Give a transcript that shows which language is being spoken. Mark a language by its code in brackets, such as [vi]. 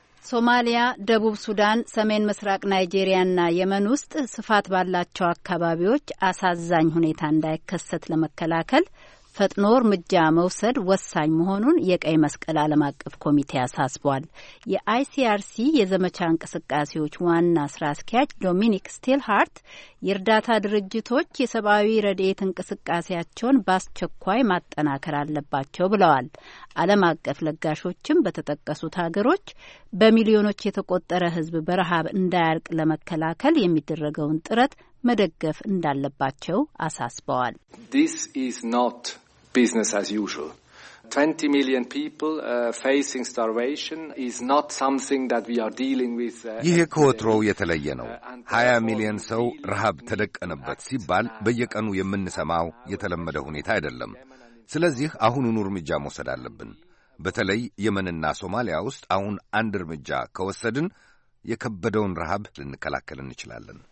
[am] ሶማሊያ፣ ደቡብ ሱዳን፣ ሰሜን ምስራቅ ናይጄሪያና የመን ውስጥ ስፋት ባላቸው አካባቢዎች አሳዛኝ ሁኔታ እንዳይከሰት ለመከላከል ፈጥኖ እርምጃ መውሰድ ወሳኝ መሆኑን የቀይ መስቀል ዓለም አቀፍ ኮሚቴ አሳስቧል። የአይሲአርሲ የዘመቻ እንቅስቃሴዎች ዋና ስራ አስኪያጅ ዶሚኒክ ስቲልሃርት የእርዳታ ድርጅቶች የሰብአዊ ረድኤት እንቅስቃሴያቸውን በአስቸኳይ ማጠናከር አለባቸው ብለዋል። ዓለም አቀፍ ለጋሾችም በተጠቀሱት ሀገሮች በሚሊዮኖች የተቆጠረ ሕዝብ በረሃብ እንዳያልቅ ለመከላከል የሚደረገውን ጥረት መደገፍ እንዳለባቸው አሳስበዋል። [en] This is not business as usual. 20 million people facing starvation is not something that we are dealing with. [am] ይህ ከወትሮው የተለየ ነው። 20 ሚሊዮን ሰው ረሃብ ተደቀነበት ሲባል በየቀኑ የምንሰማው የተለመደ ሁኔታ አይደለም። ስለዚህ አሁኑን እርምጃ መውሰድ አለብን። በተለይ የመንና ሶማሊያ ውስጥ አሁን አንድ እርምጃ ከወሰድን የከበደውን ረሃብ ልንከላከል እንችላለን።